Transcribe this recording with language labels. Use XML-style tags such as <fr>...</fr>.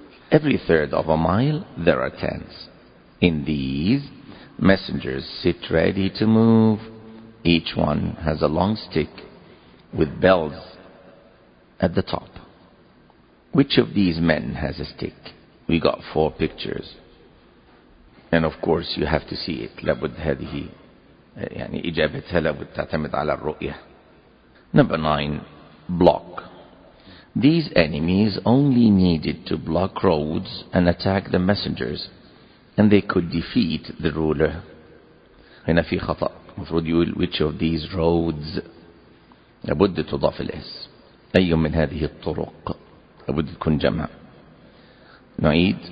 <en>Every third of a mile, there are tents. In these, messengers sit ready to move. Each one has a long stick with bells at the top. Which of these men has a stick? We got 4 pictures. And of course, you have to see it.</en> <ar>لابد هذه يعني إجابتها لابد تعتمد على الرؤية.</ar> <en>Number 9. Block. These enemies only needed to block roads and attack the messengers, and they could defeat the ruler.</en> <ar>هنا في خطأ. مفروض يقول</ar> <en>which of these roads.</en> <ar>لابد تضاف الاس. أي من هذه الطرق. لابد تكون جمع. نعيد.</ar>